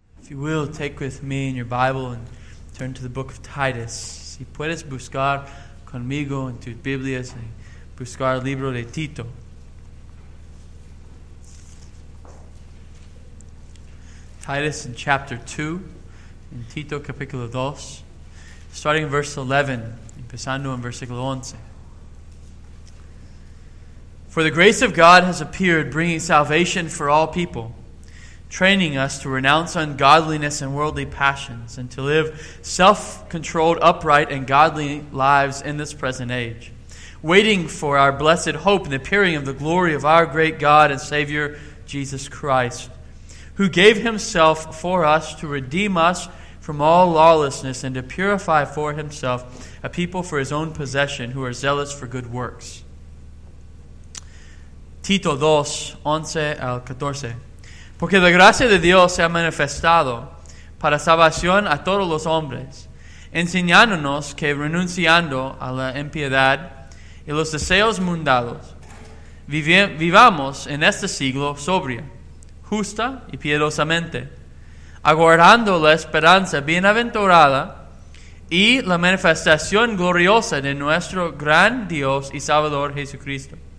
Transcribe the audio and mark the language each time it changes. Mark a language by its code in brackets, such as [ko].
[en] If you will, take with me in your Bible and turn to the book of Titus. [es] Si puedes buscar conmigo en tus Biblias y buscar el libro de Tito. [en] Titus in chapter 2, in [es] Tito capítulo 2, [en] starting in verse 11, [es] empezando en versículo 11. [en] For the grace of God has appeared, bringing salvation for all people, training us to renounce ungodliness and worldly passions, and to live self-controlled, upright, and godly lives in this present age, waiting for our blessed hope and the appearing of the glory of our great God and Savior, Jesus Christ, who gave himself for us to redeem us from all lawlessness and to purify for himself a people for his own possession who are zealous for good works. [es] Tito 2, 11 al 14. Porque la gracia de Dios se ha manifestado para salvación a todos los hombres, enseñándonos que renunciando a la impiedad y los deseos mundanos, vivamos en este siglo sobria, justa y piedosamente, aguardando la esperanza bienaventurada y la manifestación gloriosa de nuestro gran Dios y Salvador Jesucristo,